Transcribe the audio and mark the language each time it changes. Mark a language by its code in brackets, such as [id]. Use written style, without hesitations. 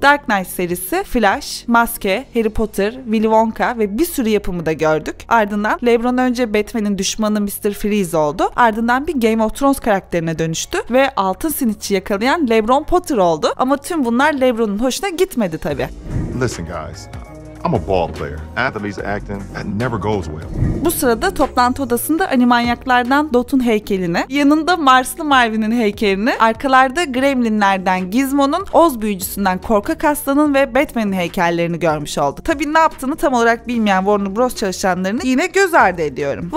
[tr] Dark Knight serisi, Flash, Maske, Harry Potter, Willy Wonka ve bir sürü yapımı da gördük. Ardından LeBron önce Batman'in düşmanı Mr. Freeze oldu. Ardından bir Game of Thrones karakterine dönüştü ve altın sinicçi yakalayan LeBron Potter oldu. Ama tüm bunlar LeBron'un hoşuna gitmedi tabii. [en] Listen guys, I'm a ball player. Athletes acting, that never goes well. [tr] Bu sırada toplantı odasında animanyaklardan Dot'un heykelini, yanında Marslı Marvin'in heykelini, arkalarda Gremlinlerden Gizmo'nun, Oz büyücüsünden Korkak Aslan'ın ve Batman'in heykellerini görmüş oldu. Tabii ne yaptığını tam olarak bilmeyen Warner Bros. Çalışanlarını yine göz ardı ediyorum.